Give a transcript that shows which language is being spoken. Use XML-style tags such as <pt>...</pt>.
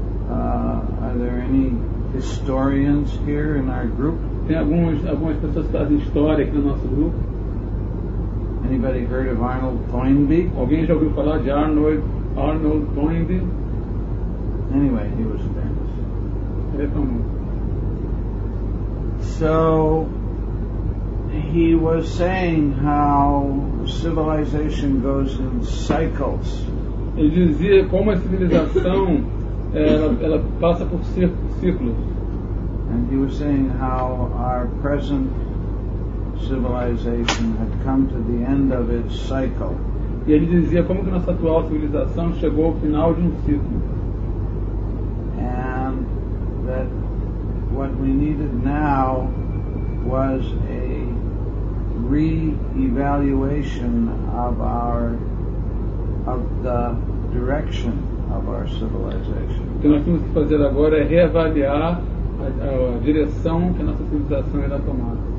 <en>Are there any historians here in our group?</en> <pt>Tem algumas pessoas que fazem história aqui no nosso grupo?</pt> <en>Anybody heard of Arnold Toynbee?</en> <pt>Alguém já ouviu falar de Arnold Toynbee?</pt> <en>Anyway, he was famous.</en> <pt>Ele é famoso.</pt> <en>So he was saying how civilization goes in cycles.</en> <pt>Ele dizia como a civilização ela passa por ciclos.</pt> <en>And he was saying how our present civilization had come to the end of its cycle.</en> <pt>E ele dizia como que nossa atual civilização chegou ao final de um ciclo.</pt> <en>And that what we needed now was a re-evaluation of the direction of our civilization.</en> <pt>O que nós temos que fazer agora é reavaliar a direção que a nossa civilização irá tomar.</pt>